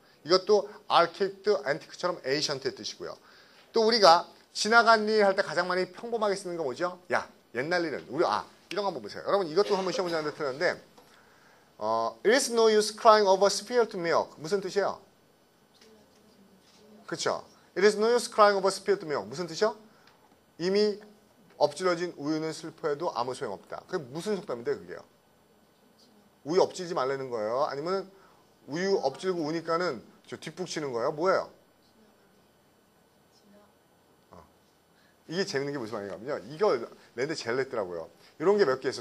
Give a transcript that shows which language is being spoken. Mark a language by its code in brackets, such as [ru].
[ko] 이것도 archaic도 antique처럼 ancient의 뜻이고요. 또 우리가 지나간 일 할 때 가장 많이 평범하게 쓰는 거 뭐죠? 야, 옛날 일은. 우리 아. 이런 거 한번 보세요. 여러분 이것도 한번 시험 문제 안 듣는데 [en] It's no use crying over spilled milk. [ko] 무슨 뜻이에요? 그렇죠? [en] It is no use crying over spilled milk. [ko] 무슨 뜻이요? 이미 엎질러진 우유는 슬퍼해도 아무 소용없다. 그게 무슨 속담인데 그게요? 우유 엎질지 말라는 거예요? 아니면 우유 엎질고 우니까는 저 뒷북치는 거예요? 뭐예요? 이게 재밌는 게 무슨 말이냐면요. 이거 내내 제일 냈더라고요. 이런 게 몇 개 있어요.